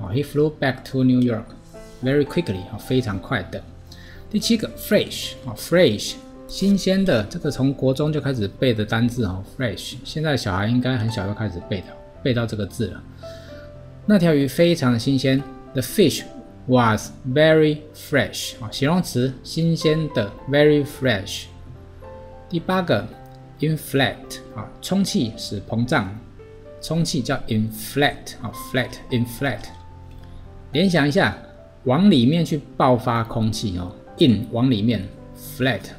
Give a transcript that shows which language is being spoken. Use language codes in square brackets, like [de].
[en] He flew back to New York very quickly， [zh] 非常快的。第七个 fresh。新鲜的，这个从国中就开始背的单字、哦、fresh， 现在小孩应该很小就开始背到这个字了。那条鱼非常的新鲜 ， [en] The fish was very fresh、 [zh] 哦。形容词，新鲜的 ，very fresh。第八个 ，inflate、哦、充气使膨胀，充气叫 inflate、哦、flat。联想一下，往里面去爆发空气、哦、in 往里面 flat。